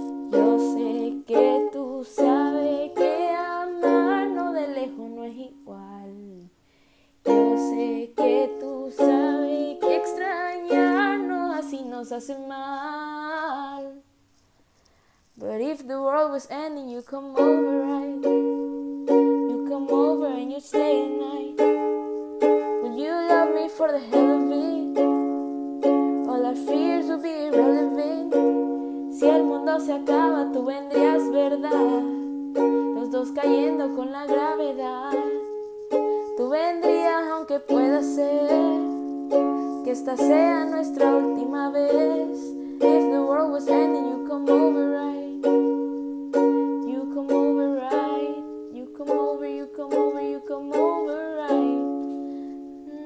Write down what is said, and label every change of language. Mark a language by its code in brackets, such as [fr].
[es] Yo sé que tú sabes que amarnos de lejos no es igual. Sé que tú sabes que extrañarnos así nos hace mal. [en] But if the world was ending, you come over, right? You come over and you stay at night. Would you love me for the hell of it? All our fears would be irrelevant. [es] Si el mundo se acaba, tú vendrías, ¿verdad? Los dos cayendo con la gravedad. Tú vendrías, aunque pueda ser que esta sea nuestra última vez. [en] If the world was ending, you come over, right? You come over, right? You come over, you come over, you come over, right?